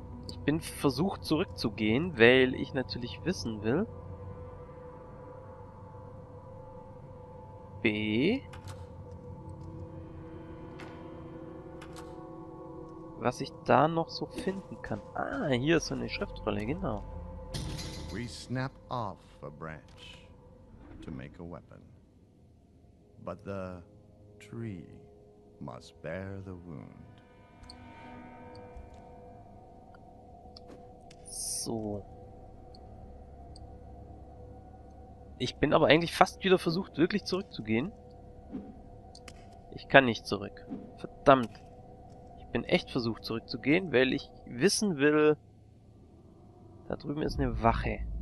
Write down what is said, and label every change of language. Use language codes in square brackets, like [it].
[de] Ich bin versucht zurückzugehen, weil ich natürlich wissen will. B. Was ich da noch so finden kann. Ah, hier ist so eine Schriftrolle, genau. [en] We snap off a branch to make a weapon. But the tree must bear the wound. [de] So. Ich bin aber eigentlich fast wieder versucht, wirklich zurückzugehen. Ich kann nicht zurück. Verdammt. Ich bin echt versucht, zurückzugehen, weil ich wissen will, da drüben ist eine Wache.